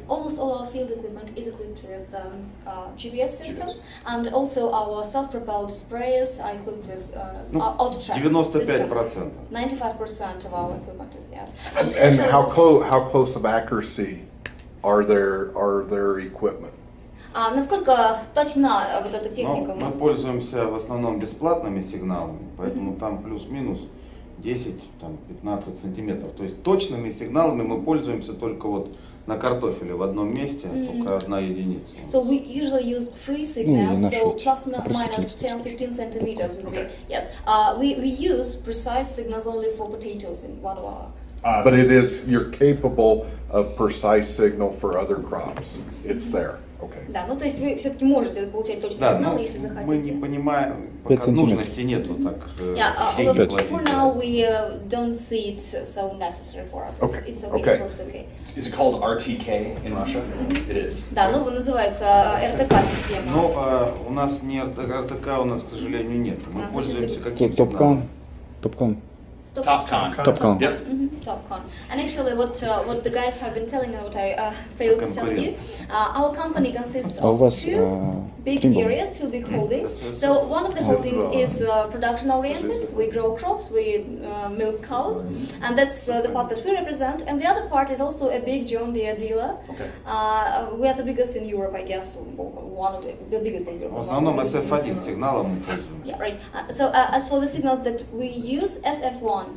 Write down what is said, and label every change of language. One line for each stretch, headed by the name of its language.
English: Almost all our field equipment is equipped with GPS system, GPS. And also our self-propelled sprayers are equipped with autotrack. 95%. 95% of our equipment is yes. And so how close of accuracy are their equipment?
Russian: Насколько точна вот эта техника? Мы пользуемся в основном бесплатными сигналами, поэтому mm-hmm. там плюс-минус 10, там, 15 сантиметров. То есть точными сигналами мы пользуемся только вот на картофеле в одном месте, mm-hmm. только одна единица.
English: So we usually use free signals, so plus minus 10-15 centimeters. Okay. Yes. We use precise signals only for potatoes in 1 hour. But it is, you're capable of precise signal for other crops. It's mm-hmm. there. Okay.
Russian: Да, ну то есть вы все-таки можете получать точный да, сигнал, если захотите. Мы не понимаем, пока нужности нету так.
English: For now we don't see it so necessary for us. Okay. It's okay. Okay. Is it called RTK in Russia? It is.
Russian: Да, ну называется РТК система. Но у нас не РТК, у нас, к сожалению, нет. Мы пользуемся каким-то. Топкон.
English: Topcon. Yep. Mm-hmm. Topcon. And actually, what the guys have been telling, what I failed to tell you, our company consists of two big holdings. Mm-hmm. So one of the holdings is production oriented. We grow crops. We milk cows, and that's the part that we represent. And the other part is also a big John Deere dealer. Okay. We are the biggest in Europe, I guess. One of the biggest in Europe.
Russian: В основном SF1 сигналом мы пользуемся.
English: Yeah, right. So as for the signals that we use, SF1.